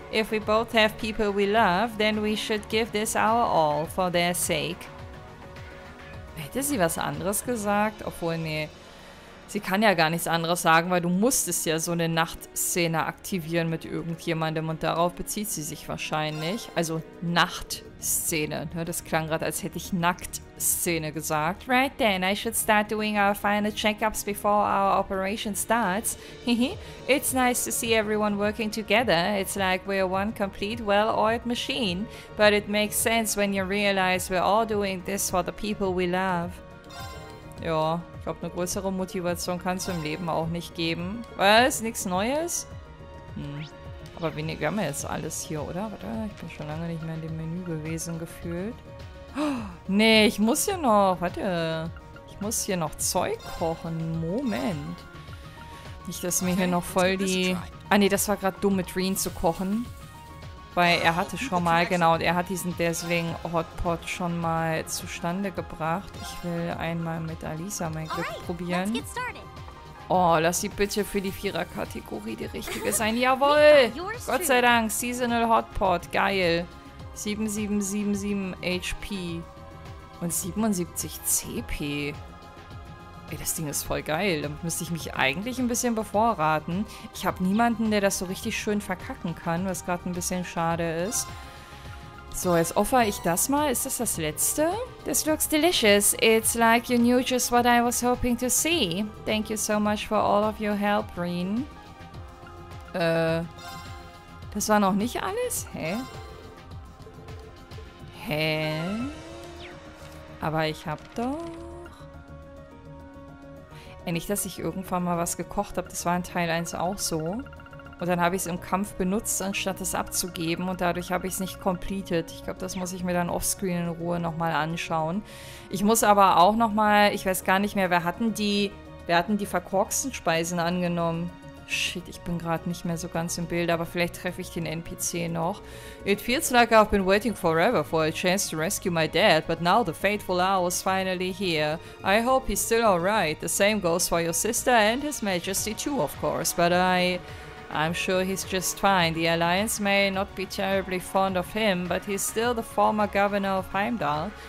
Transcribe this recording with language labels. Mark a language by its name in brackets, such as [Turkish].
[English] If we both have people we love, then we should give this our all for their sake. [German] Hätte sie was anderes gesagt? Obwohl, nee. Sie kann ja gar nichts anderes sagen, weil du musstest ja so eine Nachtszene aktivieren mit irgendjemandem und darauf bezieht sie sich wahrscheinlich. Also Nachtszene, ne? Das klang gerade, als hätte ich Nacktszene gesagt. [English] Right then, I should start doing our final checkups before our operation starts. It's nice to see everyone working together. It's like we're one complete well-oiled machine. But it makes sense when you realize we're all doing this for the people we love. [German] Ja. Ich glaube, eine größere Motivation kannst du im Leben auch nicht geben. Was? Nichts Neues? Aber weniger haben wir jetzt alles hier, oder? Warte, ich bin schon lange nicht mehr in dem Menü gewesen, gefühlt. Oh, nee, ich muss hier noch... Warte. Ich muss hier noch Zeug kochen. Moment. Nicht, dass mir hier noch voll die... Ah, nee, das war gerade dumm, mit Green zu kochen. Weil er hatte schon mal, genau, und er hat diesen deswegen Hotpot schon mal zustande gebracht. Ich will einmal mit Alisa mein Glück probieren. Oh, lass sie bitte für die Viererkategorie die richtige sein. Jawohl! Gott sei Dank, Seasonal Hotpot, geil. 7777 HP und 77 CP. Ey, das Ding ist voll geil. Damit müsste ich mich eigentlich ein bisschen bevorraten. Ich habe niemanden, der das so richtig schön verkacken kann, was gerade ein bisschen schade ist. So, jetzt offer ich das mal. Ist das das Letzte? [English] This looks delicious. [German] It's like you knew just what I was hoping to see. Thank you so much for all of your help, Reen. Das war noch nicht alles? Hä? Hä? Aber ich hab doch... Nicht, dass ich irgendwann mal was gekocht habe. Das war in Teil 1 auch so. Und dann habe ich es im Kampf benutzt, anstatt es abzugeben. Und dadurch habe ich es nicht completed. Ich glaube, das muss ich mir dann offscreen in Ruhe nochmal anschauen. Ich muss aber auch nochmal... Ich weiß gar nicht mehr, wer hatten die verkorksten Speisen angenommen? Shit, ich bin gerade nicht mehr so ganz im Bild, aber vielleicht treffe ich den NPC noch. [English] It feels like I've been waiting forever for a chance to rescue my dad, but now the fateful hour is finally here. I hope he's still alright. The same goes for your sister and his majesty too, of course, but I'm sure he's just fine. The Alliance may not be terribly fond of him, but he's still the former governor of Heimdall.